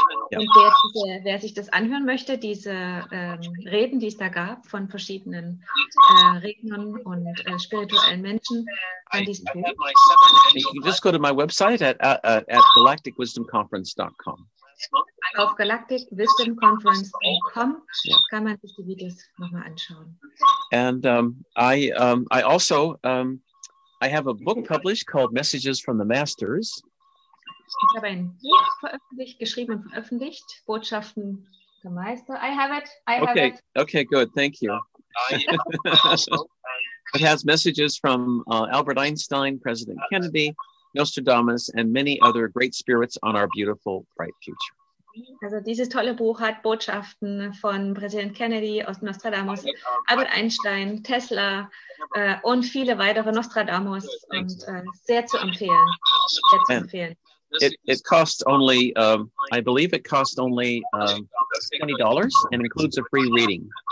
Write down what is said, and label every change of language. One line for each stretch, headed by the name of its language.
German: Und wer sich das anhören möchte, diese Reden, die es da gab von verschiedenen Rednern und spirituellen Menschen,
English: you can just go to my website at galacticwisdomconference.com.
German: Auf galacticwisdomconference.com kann man sich die Videos nochmal anschauen.
English: And I have a book published called Messages from the Masters.
German: Ich habe ein Buch veröffentlicht, geschrieben und veröffentlicht, Botschaften der Meister.
English: I have it. Okay, good. Thank you. It has messages from Albert Einstein, President Kennedy, Nostradamus, and many other great spirits on our beautiful, bright future.
German: Also dieses tolle Buch hat Botschaften von Präsident Kennedy, aus Nostradamus, Albert Einstein, Tesla und viele weitere Nostradamus. Und sehr zu empfehlen. Sehr zu empfehlen.
English: It costs only, I believe it costs only $20 and includes a free reading.